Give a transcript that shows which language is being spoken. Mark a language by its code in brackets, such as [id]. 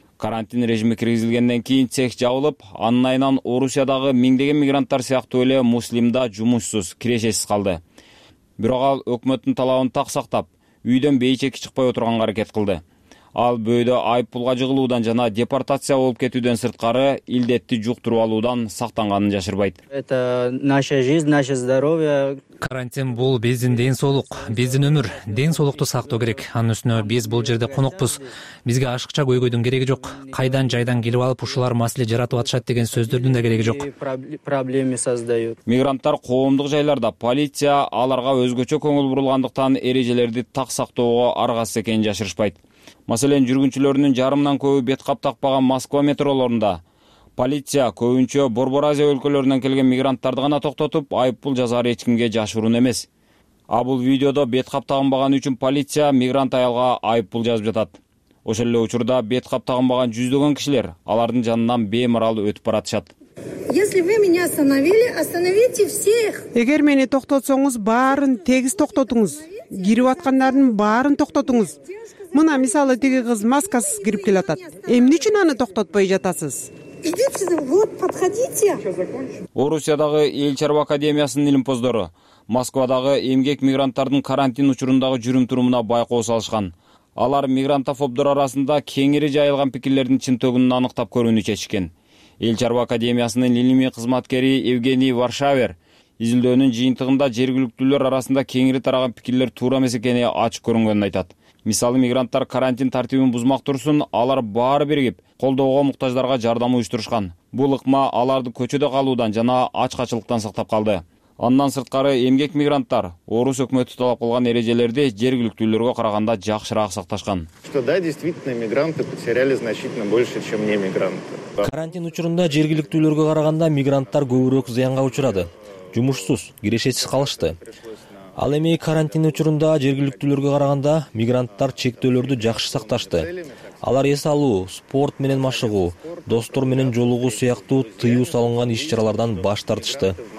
[ky] Карантин режими киргизилгенден кийин цех жабылып, анын айынан Орусиядагы миңдеген мигранттар сыяктуу эле муслимда жумушсуз, кирешесиз калды. Бирок ал өкмөттүн талабын так сактап, үйдөн бейчеки чыкпай отурганга аракет кылды. Ал бөйдө айыппулга жыгылуудан жана депортация болуп кетүүдөн сырткары илдетти жуктуруп алуудан сактанганын жашырбайт. [ru] Это наша жизнь, наше здоровье. [ky] Карантин бул биздин ден соолук, биздин өмүр. Ден соолукту сактоо керек. Анын үстүнө биз бул жерде конокпуз. Бизге ашыкча көйгөйдүн кереги жок. Кайдан жайдан келип алып ушулар маселе жаратып атышат деген сөздөрдүн да кереги жок. [ru] Проблемы создают. [ky] Мигранттар коомдук жайларда полиция аларга өзгөчө көңүл бурулгандыктан эрежелерди так сактоого аргасыз экенин жашырышпайт. Маселен, жүргүнчүлөрүнүн жарымынан көбү бет кап такпаган Москва метроолорунда полиция көбүнчө Борбор Азия өлкөлөрүнөн келген мигранттарды гана токтотуп, айыппул жазары эч кимге жашыруун эмес. А бул видеодо бет кап тагынбаганы үчүн полиция мигрант аялга айыппул жазып жатат. Ошол эле учурда бет кап тагынбаган жүздөгөн кишилер алардын жанынан беймарал өтүп баратышат. [ru] Если вы меня остановили, остановите всех. [ky] Эгер мени токтотсоңуз, баарын тегиз токтотуңуз. Кирип аткандардын баарын токтотуңуз. Мына мисалы тиги кыз маскасыз кирип келатат. Эмне үчүн аны токтотпой жатасыз? Орусиядагы эл чарба академиясынын илимпоздору Москвадагы эмгек мигранттардын карантин учурундагы жүрүм турумуна байкоо салышкан. Алар мигрантофобдор арасында кеңири жайылган пикирлердин чынтөгүн аныктап көрүүнү чечишкен. Эл чарба академиясынын илимий кызматкери Евгений Варшавер изилдөөнүн жыйынтыгында жергиликтүүлөр арасында кеңири тараган пикирлер туура эмес экени ачык көрүнгөнүн айтат. Мисалы, мигранттар карантин тартибин бузмак турсун, алар баары биригип колдоого муктаждарга жардам уюштурушкан. Бул ыкма аларды көчөдө калуудан жана ачкачылыктан сактап калды. Андан сырткары эмгек мигранттар орус өкмөтү талап кылган эрежелерди жергиликтүүлөргө караганда жакшыраак сакташкан. [ru] Что да, действительно, мигранты потеряли значительно больше, чем не мигранты. [ky] Карантин учурунда жергиликтүүлөргө караганда мигранттар көбүрөөк зыянга учурады. Жумушсуз, кирешесиз калышты. Ал эми карантин учурунда жергиликтүүлөргө караганда мигранттар чектөөлөрдү жакшы сакташты. Алар эс алуу, спорт менен машыгуу, достор менен жолугуу сыяктуу тыюу салынган иш-чаралардан баш тартышты.